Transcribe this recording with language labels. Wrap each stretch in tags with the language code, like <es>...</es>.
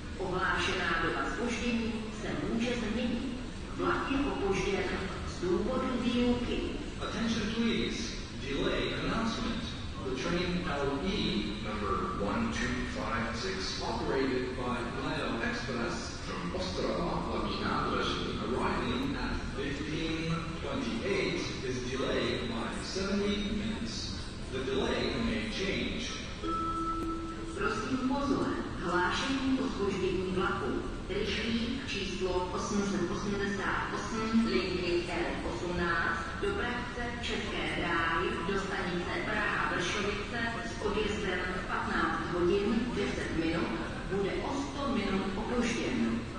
<cs>Ohlášená doba zpoždění se může změnit. Vlak je opožděn z důvodu výuky.</cs> <en>Attention please. Delay announcement. The train LE number 1256 operated by Leo Express from Ostrava hlavní nádraží arriving at 15:28 is delayed by 70 minutes. The delay may change.</en> <cs>Prosím pozor, hlášení o zpoždění vlaku. Rychlí číslo 888 linky L18 dopravce České dráhy do stanice Praha Vršovice s odjezdem v 15 hodin 10 minut bude o 100 minut opožděn.</cs>